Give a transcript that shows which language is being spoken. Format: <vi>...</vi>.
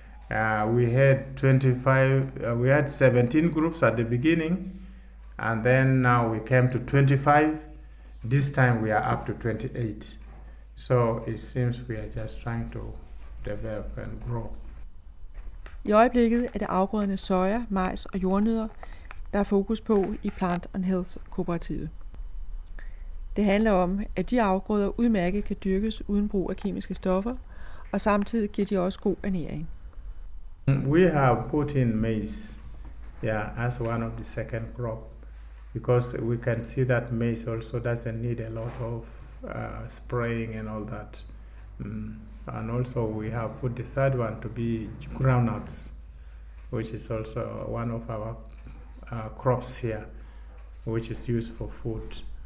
<en>We had 17 groups at the beginning, and then now we came to 25. This time we are up to 28. So it seems we are just trying to develop and grow.</en> <da>I øjeblikket er det afgrøderne soja, majs og jordnødder, der er fokus på i Plant & Health kooperativet. Det handler om, at de afgrøder udmærket kan dyrkes uden brug af kemiske stoffer, og samtidig giver de også god ernæring.</da> <en>We have put in maize, as one of the second crop, because we can see that maize also doesn't need a lot of spraying and all that. And also we have put the third one to be groundnuts, which is also one of our crops here, which is used for food.</en>